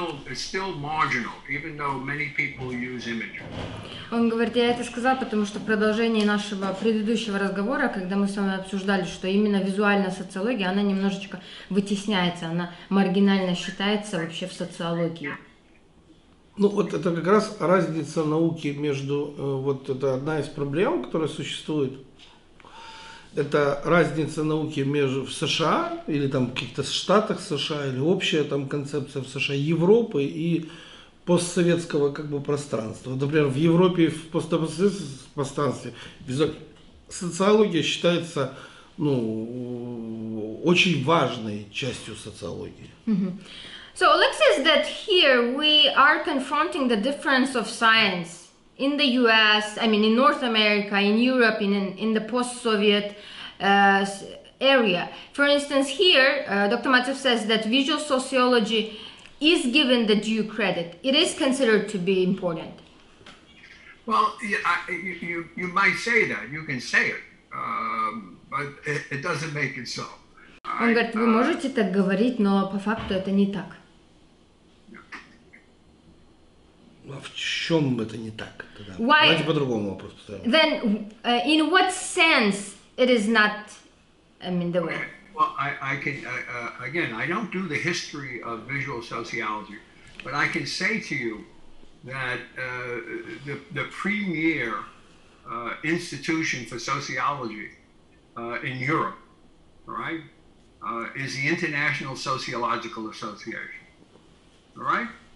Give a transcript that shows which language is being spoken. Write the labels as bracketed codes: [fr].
[en] It's still marginal, even though many people use images. [ru] Он говорит, я это сказал, потому что в продолжении нашего предыдущего разговора, когда мы с вами обсуждали, что именно визуальная социология, она немножечко вытесняется, она маргинально считается вообще в социологии. Ну вот это как раз разница науки между, вот это одна из проблем, которая существует. Это разница науки между в США или там в каких-то штатах США или общая там концепция в США, Европы и постсоветского как бы пространства. Например, в Европе в постсоветском пространстве социология считается ну очень важной частью социологии. [en] So Alex says that here we are confronting the difference of science in the U.S. I mean in North America, in Europe, in the post-Soviet area. For instance, here Dr. Matsev says that visual sociology is given the due credit. It is considered to be important. Well, you might say that. You can say it. But it doesn't make it so. [ru] Он говорит, вы можете так говорить, но по факту это не так. А в чем это не так? [en] Why? [ru] Давайте по-другому вопрос поставим. [en] Then, in what sense it is not, I mean, the way? Well, I can, again, I don't do the history of visual sociology, but I can say to you that the premier institution for sociology in Europe, all right, is the International Sociological Association, all right?